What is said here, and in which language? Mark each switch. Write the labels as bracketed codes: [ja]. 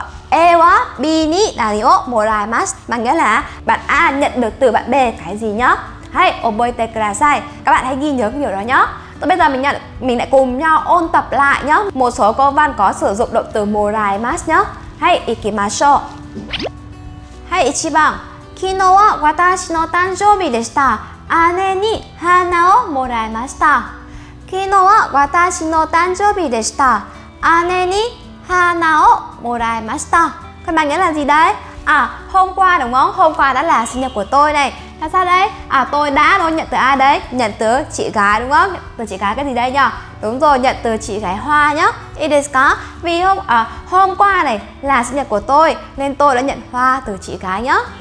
[ja] E wa bi ni nani o moraimashita. [vi] Mà nghĩa là bạn A nhận được từ bạn B cái gì nhá. Hay [ja] oboite kudasai. [vi] Các bạn hãy ghi nhớ cái điều đó nhá. Rồi bây giờ mình lại cùng nhau ôn tập lại nhá. Một số câu văn có sử dụng động từ moraimashita nhá. [ja] Hay ikimashou. はい、1番。昨日は私の誕生日でした。姉に花をもらいました。昨日は私の誕生日でした。姉に花をもらいました。これ何が時代？あ、 [vi] hôm qua đúng không? Hôm qua đã là sinh nhật của tôi này. Là sao đấy? À, tôi đã đúng không? Nhận từ ai đấy? Nhận từ chị gái đúng không? Từ chị gái cái gì đây nhỉ? Đúng rồi, nhận từ chị gái Hoa nhá. [ja] Itですか? [vi] Vì hôm qua này là sinh nhật của tôi nên tôi đã nhận hoa từ chị gái nhá.